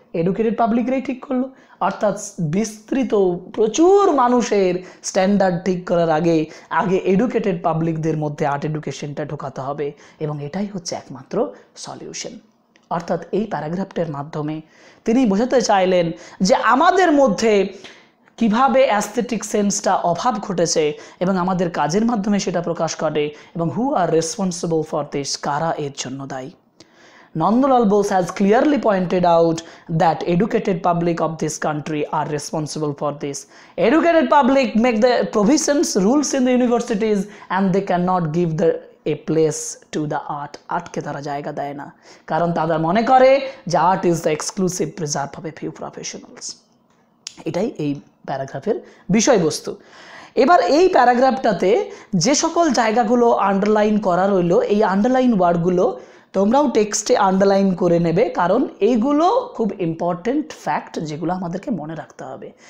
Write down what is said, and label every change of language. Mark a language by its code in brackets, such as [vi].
[bn] Educated পাবলিকরাই ঠিক করলো। অর্থাৎ বিস্তৃত প্রচুর মানুষের স্ট্যান্ডার্ড ঠিক করার আগে আগে এডুকেটেড পাবলিকদের মধ্যে আর্ট এডুকেশনটা ঢোকাতে হবে, এবং এটাই হচ্ছে একমাত্র সলিউশন। অর্থাৎ এই প্যারাগ্রাফটির মাধ্যমে তিনি বোঝাতে চাইলেন যে আমাদের মধ্যে কিভাবে অ্যাস্থেটিক সেন্সটা অভাব ঘটেছে এবং আমাদের কাজের মাধ্যমে সেটা প্রকাশ করে এবং [en] who are responsible for this, [bn] কারা এর জন্য দায়ী। [en] Nandalal Bose has clearly pointed out that educated public of this country are responsible for this. Educated public make the provisions, rules in the universities, and they cannot give the a place to the art. [bn] Art ke tara jayga dae na. Karan tadar mone kore, ja [en] art is the exclusive preserve of a few professionals. [bn] Itai ei paragrapher bishoy bostu. এবার এই প্যারাগ্রাফটাতে যে সকল জায়গাগুলো underline করা রইল, এই underline ওয়ার্ডগুলো তোমরাও টেক্সটে আন্ডারলাইন করে নেবে, কারণ এইগুলো খুব ইম্পর্টেন্ট ফ্যাক্ট যেগুলো আমাদেরকে মনে রাখতে হবে।